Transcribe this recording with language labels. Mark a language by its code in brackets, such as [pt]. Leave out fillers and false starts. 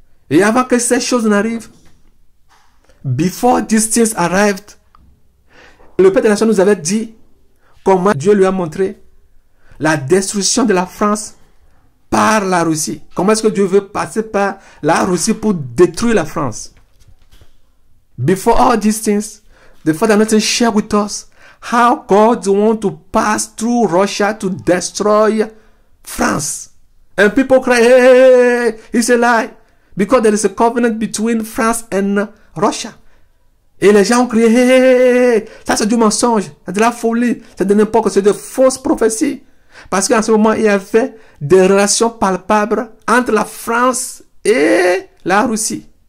[fr] Et avant que ces choses n'arrivent, [en] before these things arrived, [fr] le Père de la Nation nous avait dit comment Dieu lui a montré la destruction de la France par la Russie. Comment est-ce que Dieu veut passer par la Russie pour détruire la France? [en] Before all these things, the Father not to share with us how God wants to pass through Russia to destroy France. And people cry, hey, it's a lie. Because there is a covenant between France and Russia. [fr] Et les gens ont crié, hey, ça c'est du mensonge, c'est de la folie, c'est de n'importe quoi, c'est de fausses prophéties. Parce qu'en ce moment, il y avait des relations palpables entre la France et la Russie.